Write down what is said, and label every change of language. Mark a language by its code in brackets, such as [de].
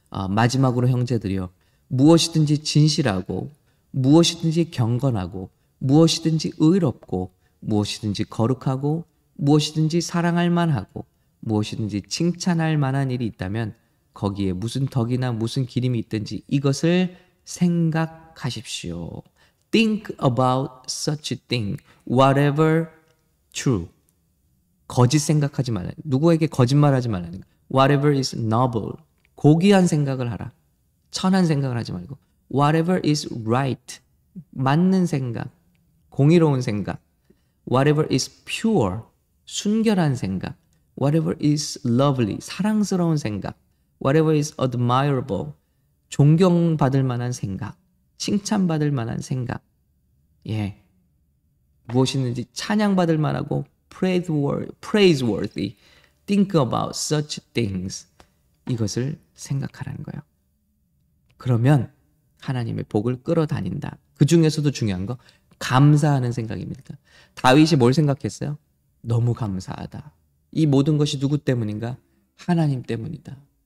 [ko] 마지막으로 형제들이요, 무엇이든지 진실하고 무엇이든지 경건하고 무엇이든지 의롭고 무엇이든지 거룩하고 무엇이든지 사랑할 만하고 무엇이든지 칭찬할 만한 일이 있다면 거기에 무슨 덕이나 무슨 기림이 있든지 이것을 생각하십시오. [en] Think about such thing, whatever true. [ko] 거짓 생각하지 말아요. 누구에게 거짓말하지 말아요. [en] Whatever is noble, [ko] 고귀한 생각을 하라. 천한 생각을 하지 말고. [en] Whatever is right, [ko] 맞는 생각, 공의로운 생각. [en] Whatever is pure, [ko] 순결한 생각. [en] Whatever is lovely, [ko] 사랑스러운 생각. [en] Whatever is admirable, [ko] 존경받을 만한 생각. 칭찬받을 만한 생각. 예. 무엇이든지 찬양받을 만하고 [en] praiseworthy. Think about such things. [ko] 이것을 생각하라는 거예요. 그러면 하나님의 복을 끌어다닌다. 그 중에서도 중요한 거, 감사하는 생각입니다. 다윗이 뭘 생각했어요? 너무 감사하다. 이 모든 것이 누구 때문인가? 하나님 때문이다.